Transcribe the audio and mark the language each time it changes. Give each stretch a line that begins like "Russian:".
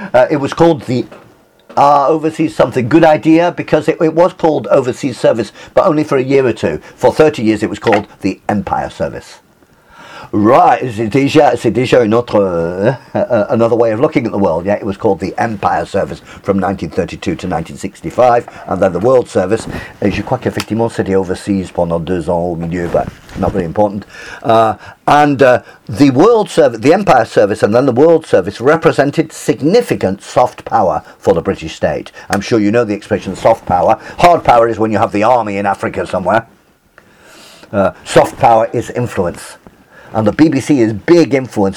English: It was called the Overseas Something Good Idea, because it was called Overseas Service, but only for a year or two. For 30 years, it was called the Empire Service. Right.
French: C'est déjà
English: another way of looking at the world. Yeah, it was called the Empire Service from 1932 to 1965. And then the World Service.
French: Je crois qu'effectivement, c'était overseas pendant 2 ans au milieu,
English: but not very important. The World Service, the Empire Service, and then the World Service represented significant soft power for the British state. I'm sure you know the expression soft power. Hard power is when you have the army in Africa somewhere. Soft power is influence. And the BBC is big influence.